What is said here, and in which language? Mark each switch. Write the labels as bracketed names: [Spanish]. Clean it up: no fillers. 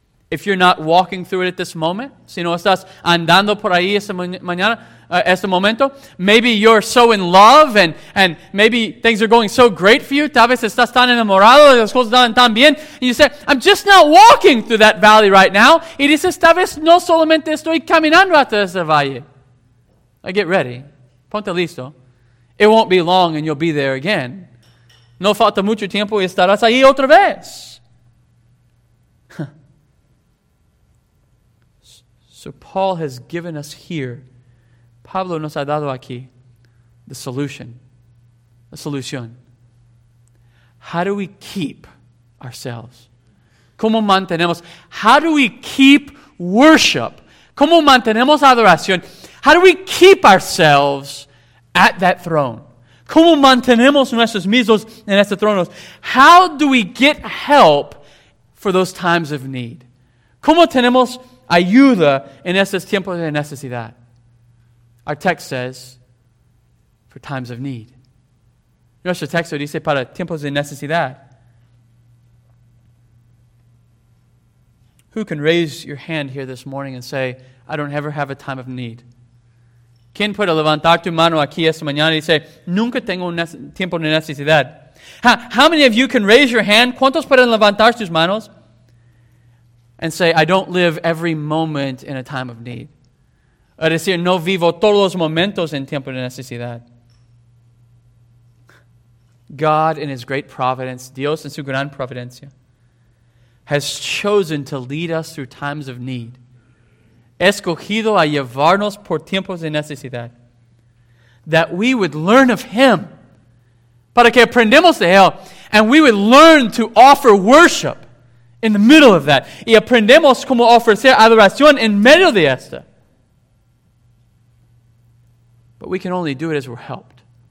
[English] If you're not walking through it at this moment, [Spanish] si no estás andando por ahí esta mañana, este momento, [English] maybe you're so in love and maybe things are going so great for you, [Spanish] tal vez estás tan enamorado y las cosas están tan bien, [English] and you say, I'm just not walking through that valley right now. [Spanish] Y dices, tal vez no solamente estoy caminando hasta ese valle. [English] I get ready. [Spanish] Ponte listo. [English] It won't be long and you'll be there again. [Spanish] No falta mucho tiempo y estarás ahí otra vez. [English] So Paul has given us here, [Spanish] Pablo nos ha dado aquí, [English] the solution. The solution. How do we keep ourselves? [Spanish] ¿Cómo mantenemos? [English] How do we keep worship? [Spanish] ¿Cómo mantenemos adoración? [English] How do we keep ourselves at that throne? [Spanish] ¿Cómo mantenemos nuestros mismos en ese trono? [English] How do we get help for those times of need? [Spanish] ¿Cómo tenemos ayuda en esos tiempos de necesidad? [English] Our text says, for times of need. [Spanish] Nuestro texto dice para tiempos de necesidad. [English] Who can raise your hand here this morning and say, I don't ever have a time of need? [Spanish] ¿Quién puede levantar tu mano aquí esta mañana y say, nunca tengo un tiempo de necesidad? [English] How many of you can raise your hand? [Spanish] ¿Cuántos pueden levantar sus manos? [English] And say, I don't live every moment in a time of need. [Spanish] Es decir, no vivo todos los momentos en tiempo de necesidad. [English] God, in his great providence, [Spanish] Dios en su gran providencia, [English] has chosen to lead us through times of need. [Spanish] Escogido a llevarnos por tiempos de necesidad. [English] That we would learn of him. [Spanish] Para que aprendamos de él. [English] And we would learn to offer worship in the middle of that. [Spanish] Y aprendemos cómo ofrecer adoración en medio de esta. [English] But we can only do it as we're helped.